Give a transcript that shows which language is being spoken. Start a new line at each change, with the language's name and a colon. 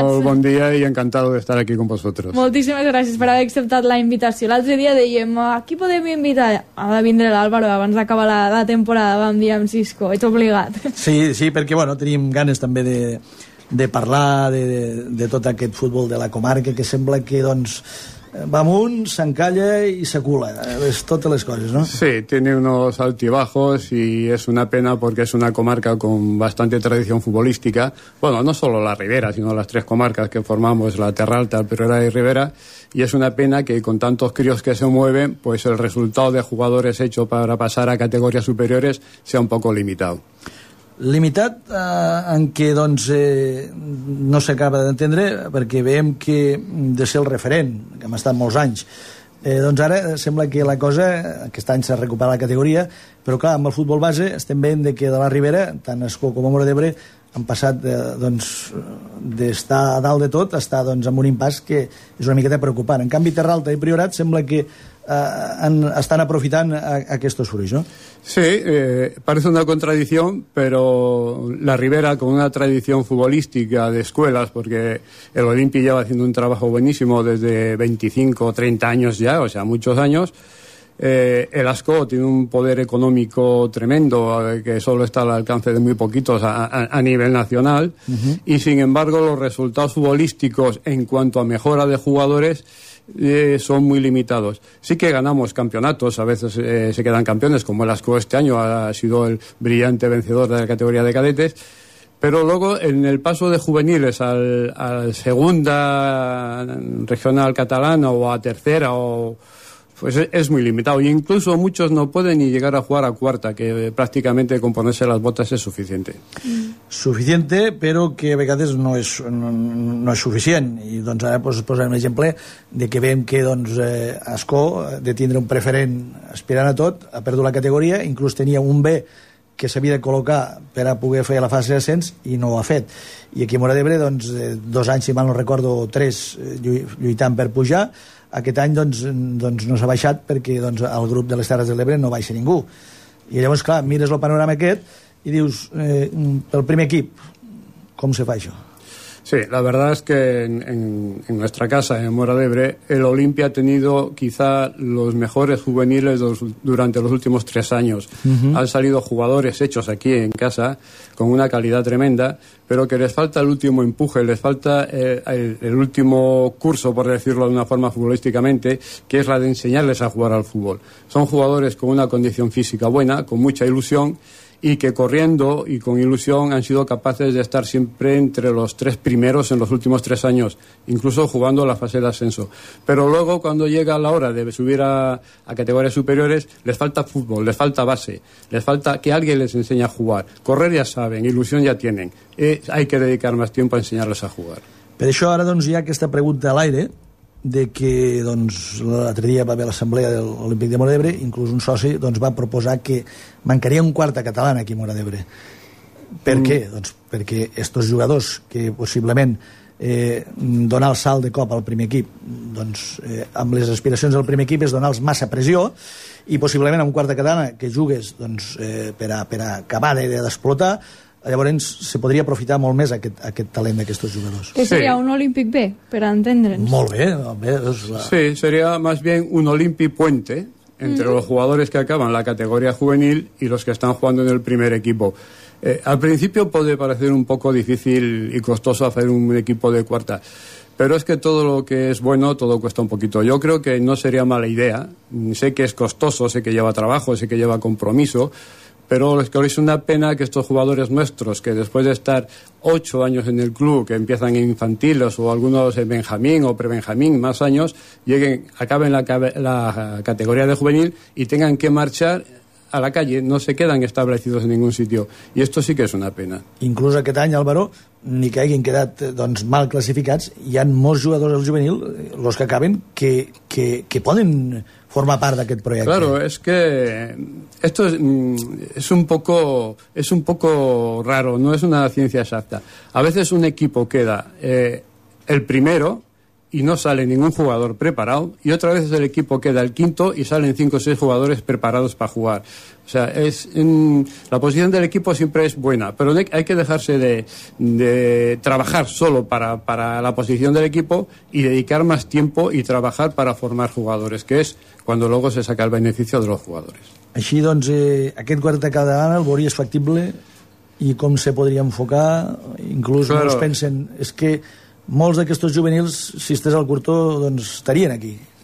Catalan: Molt bon dia
Spanish: i encantado de estar aquí con vosotros.
Catalan: Moltíssimes gràcies per haver acceptat la invitació. L'altre dia dèiem, a qui podem invitar? Ha de vindre l'Álvaro abans d'acabar la temporada, vam dir amb Cisco, ets obligat. Sí, perquè bueno, tenim ganes també de parlar de tot aquest futbol de la comarca, que sembla que doncs va amunt, s'encalla i s'acula, totes les coses, no?
Spanish: Sí, tiene unos altibajos y es una pena porque es una comarca con bastante tradición futbolística. Bueno, no solo la Ribera, sino las tres comarcas que formamos, la Terra Alta, Priorat y Ribera. Y es una pena que con tantos críos que se mueven, pues el resultado de jugadores hecho para pasar a categorías superiores sea un poco limitado.
Catalan: Limitat en què doncs, no s'acaba d'entendre, perquè veiem que de ser el referent, que hem estat molts anys, doncs ara sembla que la cosa, aquest any s'ha recuperat la categoria, però clar, amb el futbol base estem veient de que de la Ribera, tant Ascó com a Móra d'Ebre, han passat doncs, d'estar a dalt de tot a estar doncs, en un impàs que és una miqueta preocupant. En canvi, Terra Alta i Priorat sembla que estan aprofitant aquests fruits, no?
Spanish: Sí, parece una contradicción, pero la Ribera, con una tradición futbolística de escuelas, porque el Olimpi lleva haciendo un trabajo buenísimo desde 25 o 30 años ya, o sea, muchos años. El Ascó tiene un poder económico tremendo, que solo está al alcance de muy poquitos a nivel nacional. Uh-huh. Y sin embargo, los resultados futbolísticos en cuanto a mejora de jugadores son muy limitados. Sí que ganamos campeonatos, a veces se quedan campeones, como el Ascó este año ha sido el brillante vencedor de la categoría de cadetes, pero luego en el paso de juveniles al segunda regional catalana o a tercera o pues es muy limitado, e incluso muchos no pueden ni llegar a jugar a cuarta, que prácticamente con ponerse las botas es suficiente.
Catalan: Suficiente, pero que a vegades no es suficient, i doncs ara pues, posem un exemple de que veiem que doncs, Ascó, de tindre un preferent aspirant a tot, ha perdut la categoria, inclús tenia un B que s'havia de col·locar per a poder fer la fase d'ascens i no ho ha fet. I aquí a Móra d'Ebre, doncs, dos anys, si mal no recordo, tres lluitant per pujar, aquest any doncs no s'ha baixat perquè doncs, el grup de les Terres de l'Ebre no baixa ningú. I llavors, clar, mires el panorama aquest i dius, pel primer equip, com se fa això?
Spanish: Sí, la verdad es que en nuestra casa, en Móra d'Ebre, el Olimpia ha tenido quizá los mejores juveniles durante los últimos tres años. Uh-huh. Han salido jugadores hechos aquí en casa con una calidad tremenda, pero que les falta el último empuje, les falta el último curso, por decirlo de una forma futbolísticamente, que es la de enseñarles a jugar al fútbol. Son jugadores con una condición física buena, con mucha ilusión, y que corriendo y con ilusión han sido capaces de estar siempre entre los tres primeros en los últimos tres años, incluso jugando la fase de ascenso. Pero luego, cuando llega la hora de subir a categorías superiores, les falta fútbol, les falta base, les falta que alguien les enseñe a jugar. Correr ya saben, ilusión ya tienen. Hay que dedicar más tiempo a enseñarles a jugar.
Catalan: Per això ara doncs, hi ha aquesta pregunta a l'aire, de que doncs, l'altre dia va haver l'assemblea de l'Olímpic de Móra d'Ebre, inclús un soci doncs, va proposar que mancaria un quart de català aquí a Móra d'Ebre. Per què? Doncs perquè estos jugadors que possiblement donar el salt de cop al primer equip, doncs amb les aspiracions del primer equip és donar-los massa pressió, i possiblement amb un quart de català que jugues doncs, per a acabar d'explotar, llavors se podria aprofitar molt més aquest talent d'aquests jugadors. Que seria un Olímpic B, per entendre'ns. Molt bé.
Spanish: Sí, seria més bien un Olímpic Puente, entre los jugadores que acaban la categoría juvenil y los que están jugando en el primer equipo. Al principio puede parecer un poco difícil y costoso hacer un equipo de cuarta, pero es que todo lo que es bueno, todo cuesta un poquito. Yo creo que no sería mala idea. Sé que es costoso, sé que lleva trabajo, sé que lleva compromiso, pero es que es una pena que estos jugadores nuestros, que después de estar 8 años en el club, que empiezan infantiles o algunos en Benjamín o prebenjamín, más años, lleguen, acaben la categoría de juvenil y tengan que marchar a la calle, no se quedan establecidos en ningún sitio. Y esto sí que es una pena.
Catalan: Incluso aquest any, Álvaro, ni que hagin quedat doncs, mal classificats, hi ha molts jugadors del juvenil, los que acaben, que poden formar part d'aquest projecte.
Spanish: Claro, es que esto es un poco raro, no es una ciencia exacta. A veces un equipo queda el primero y no sale ningún jugador preparado, y otra vez el equipo queda el quinto y salen 5 o 6 jugadores preparados para jugar. O sea, la posición del equipo siempre es buena, pero hay que dejarse de trabajar solo para la posición del equipo y dedicar más tiempo y trabajar para formar jugadores, que es cuando luego se saca el beneficio de los jugadores.
Catalan: Així, doncs, aquest quart de cada any el veuries factible i com se podria enfocar, inclús claro. Molts pensen, és que molts d'aquests juvenils, si estés al Curtó, doncs estarien aquí.